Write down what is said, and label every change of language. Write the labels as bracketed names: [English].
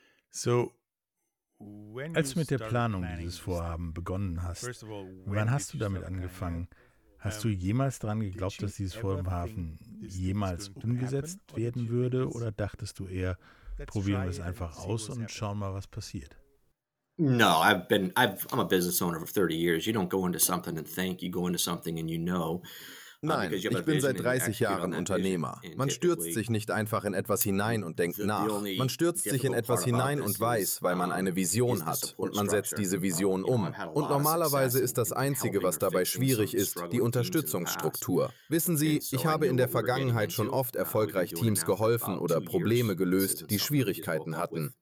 [German] So, als du mit der Planung dieses Vorhaben begonnen hast, wann hast du damit angefangen? Hast du jemals daran geglaubt, dass dieses Vorhaben jemals umgesetzt werden würde? Oder dachtest du eher, probieren wir es einfach aus und schauen mal, was passiert? [English] No, I'm a business owner for 30 years. You don't go into something and think, you go into something and you know. [German] Nein, ich bin seit 30 Jahren Unternehmer. Man stürzt sich nicht einfach in etwas hinein und denkt nach. Man stürzt sich in etwas hinein und weiß, weil man eine Vision hat und man setzt diese Vision um. Und normalerweise ist das Einzige, was dabei schwierig ist, die Unterstützungsstruktur. Wissen Sie, ich habe in der Vergangenheit schon oft erfolgreich Teams geholfen oder Probleme gelöst, die Schwierigkeiten hatten.